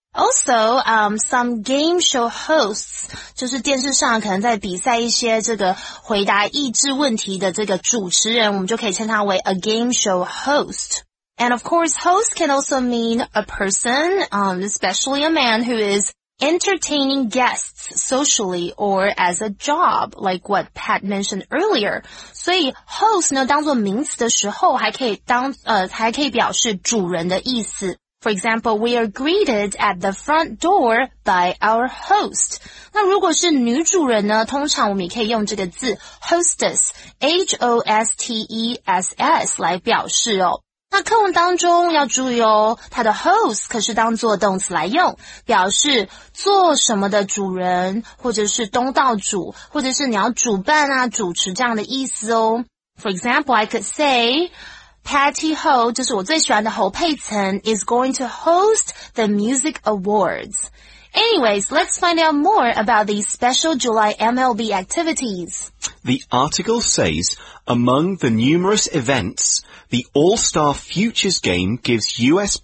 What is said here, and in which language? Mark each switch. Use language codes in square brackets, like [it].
[en] Also, some game show hosts, [zh] 就是电视上可能在比赛一些这个回答益智问题的这个主持人，我们就可以称他为 [en] a game show host. And of course, host can also mean a person, especially a man who is entertaining guests socially or as a job, like what Pat mentioned earlier. [zh] 所以 host 呢当作名词的时候还可以当还可以表示主人的意思。 [en] For example, we are greeted at the front door by our host. [zh] 那如果是女主人呢通常我们也可以用这个字 hostess, H-O-S-T-E-S-S 来表示哦。那课文当中要注意哦它的 host 可是当作动词来用表示做什么的主人或者是东道主或者是你要主办啊主持这样的意思哦。 [en] For example, I could say, Patty Ho, [zh] 就是我最喜欢的侯佩岑 [en] is going to host the music awards. Anyways, let's find out more about these special July MLB activities. The article says, among the numerous events,The All-Star Futures Game gives U.S.